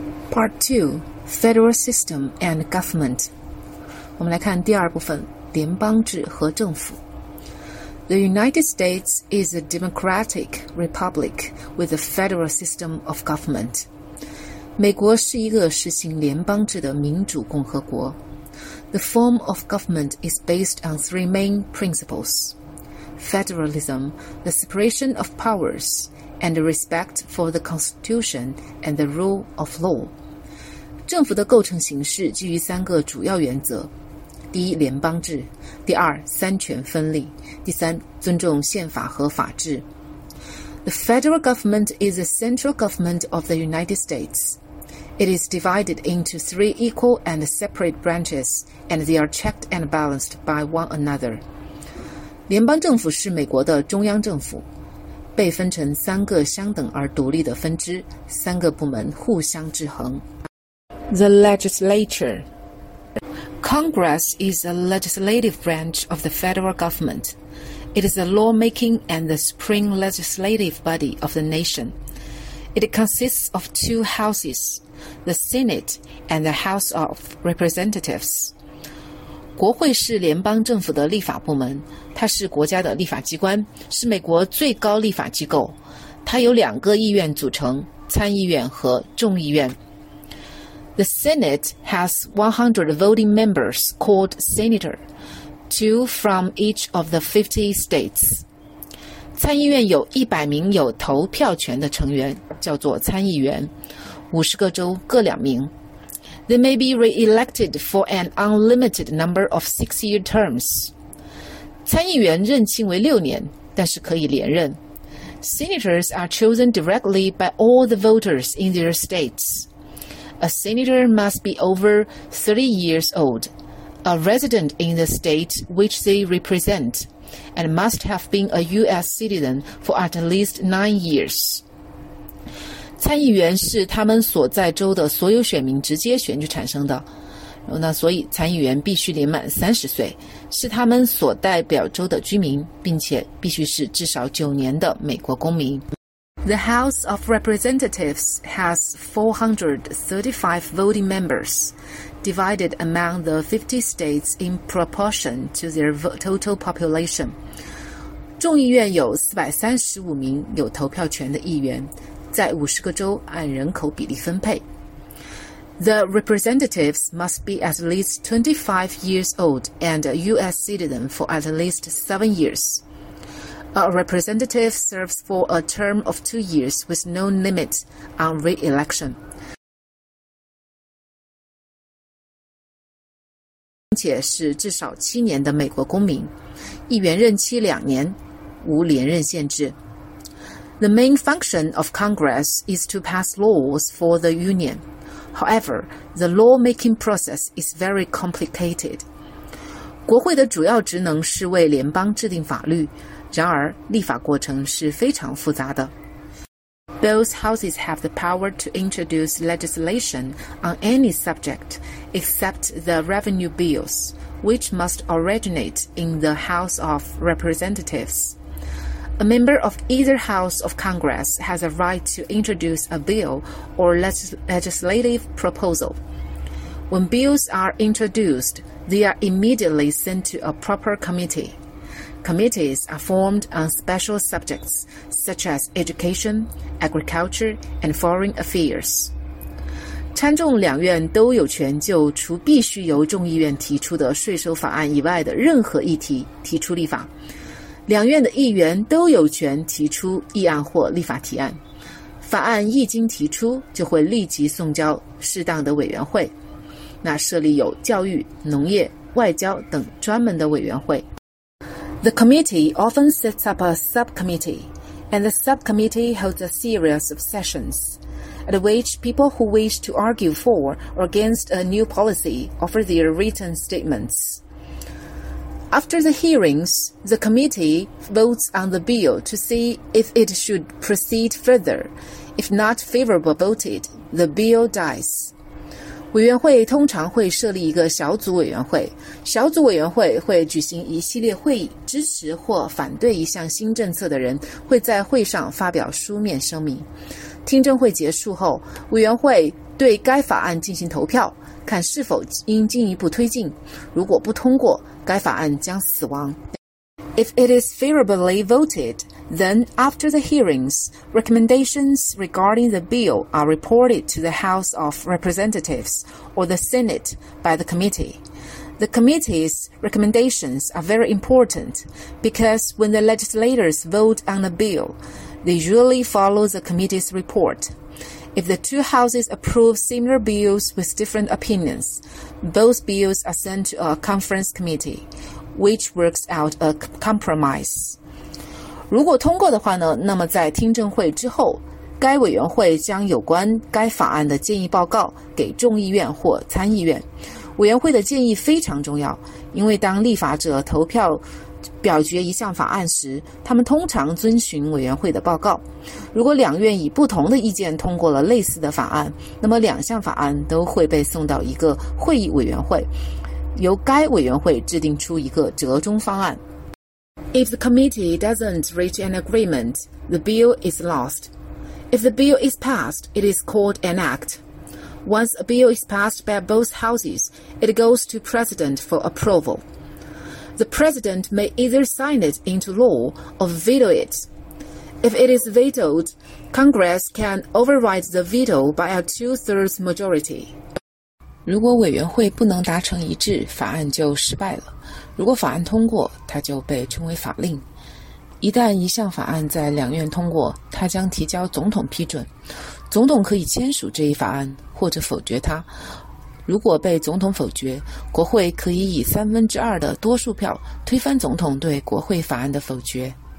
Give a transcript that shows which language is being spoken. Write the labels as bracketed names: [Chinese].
[English] Part 2, Federal System and Government. [Chinese] 我们来看第二部分，联邦制和政府。 [English] The United States is a democratic republic with a federal system of government. [Chinese] 美国是一个实行联邦制的民主共和国。 [English] The form of government is based on three main principles. Federalism, the separation of powers, and respect for the Constitution and the rule of law. [Chinese] 政府的构成形式基于三个主要原则。第一，联邦制。第二，三权分立。第三，尊重宪法和法治。 [English] The federal government is the central government of the United States. It is divided into three equal and separate branches, and they are checked and balanced by one another. [Chinese] 联邦政府是美国的中央政府，被分成三个相等而独立的分支，三个部门互相制衡。 [English] The legislature. Congress is a legislative branch of the federal government. It is the lawmaking and the supreme legislative body of the nation. It consists of two houses, the Senate and the House of Representatives. [Chinese] 国会是联邦政府的立法部门，它是国家的立法机关，是美国最高立法机构。它由两个议院组成，参议院和众议院。 [English] The Senate has 100 voting members called senator, two from each of the 50 states. [Chinese] 参议院有100名有投票权的成员，叫做参议员，50个州各两名。 [English] They may be re-elected for an unlimited number of six-year terms. [Chinese] 参议员任期为六年，但是可以连任。 [English] Senators are chosen directly by all the voters in their states. A senator must be over 30 years old, a resident in the state which they represent, and must have been a U.S. citizen for at least 9 years. [Chinese] 参议员是他们所在州的所有选民直接选举产生的，那所以参议员必须年满30岁，是他们所代表州的居民，并且必须是至少9年的美国公民。 [English] The House of Representatives has 435 voting members, divided among the 50 states in proportion to their total population. [Chinese] 众议院有435名有投票权的议员，在50个州按人口比例分配。 [English] The representatives must be at least 25 years old and a U.S. citizen for at least 7 years. A representative serves for a term of 2 years with no limit on re-election. [Chinese] 并且是至少七年的美国公民，议员任期两年，无连任限制。 [English] The main function of Congress is to pass laws for the union. However, the lawmaking process is very complicated. [Chinese] 国会的主要职能是为联邦制定法律。然而，立法过程是非常复杂的。 [English] Both houses have the power to introduce legislation on any subject except the revenue bills, which must originate in the House of Representatives. A member of either House of Congress has a right to introduce a bill or legislative proposal. When bills are introduced, they are immediately sent to a proper committee. Committees are formed on special subjects such as education, agriculture, and foreign affairs. [Chinese] 参众两院都有权就除必须由众议院提出的税收法案以外的任何议题提出立法。两院的议员都有权提出议案或立法提案。法案一经提出，就会立即送交适当的委员会。那设立有教育、农业、外交等专门的委员会。 [English] The committee often sets up a subcommittee, and the subcommittee holds a series of sessions, at which people who wish to argue for or against a new policy offer their written statements. After the hearings, the committee votes on the bill to see if it should proceed further. If not favorable voted, the bill dies. [Chinese] 委员会通常会设立一个小组委员会，小组委员会会举行一系列会议，支持或反对一项新政策的人会在会上发表书面声明。听证会结束后，委员会对该法案进行投票，看是否应进一步推进。如果不通过，该法案将死亡。 [English] If it is favorably voted, then after the hearings, recommendations regarding the bill are reported to the House of Representatives or the Senate by the committee. The committee's recommendations are very important because when the legislators vote on a bill, they usually follow the committee's report. If the two houses approve similar bills with different opinions, those bills are sent to a conference committee. Which works out a compromise. [Chinese] 如果通过的话呢，那么在听证会之后，该委员会将有关该法案的建议报告给众议院或参议院。委员会的建议非常重要，因为当立法者投票表决一项法案时，他们通常遵循委员会的报告。如果两院以不同的意见通过了类似的法案，那么两项法案都会被送到一个会议委员会。由该委员会制定出一个折中方案。 [English] If the committee doesn't reach an agreement, the bill is lost. If the bill is passed, it is called an act. Once a bill is passed by both houses, it goes to president for approval. The president may either sign it into law or veto it. If it is vetoed, Congress can override the veto by a two-thirds majority. [Chinese] 如果委员会不能达成一致，法案就失败了。如果法案通过，它就被称为法令。一旦一项法案在两院通过，它将提交总统批准。总统可以签署这一法案，或者否决它。如果被总统否决，国会可以以三分之二的多数票推翻总统对国会法案的否决。